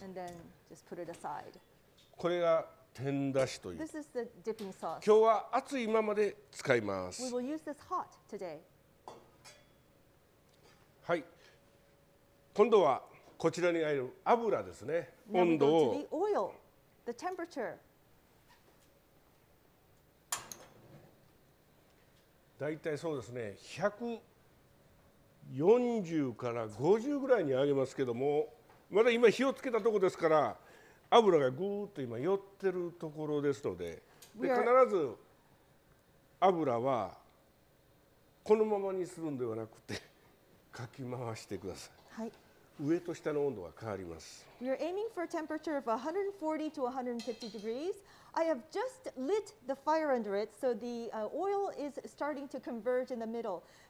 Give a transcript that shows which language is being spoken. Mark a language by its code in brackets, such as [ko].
[en] And then just put it aside. [ja] これが天だしという。 [en] This is the dipping sauce. [ja] 今日は熱いままで使います。 [en] We will use this hot today. [ja] はい。今度はこちらにある油ですね。温度を。 [en] Now we go to the oil, the temperature. [ja] だいたいそうですね、140から50ぐらいに上げますけども、まだ今火をつけたところですから、油がぐーっと今寄ってるところですの で必ず油はこのままにするんではなくてかき回してください。はい。上と下の温度が変わります。 [en] We are aiming for a temperature of 140 to 150 degrees. I have just lit the fire under it, so the oil is starting to converge in the middle.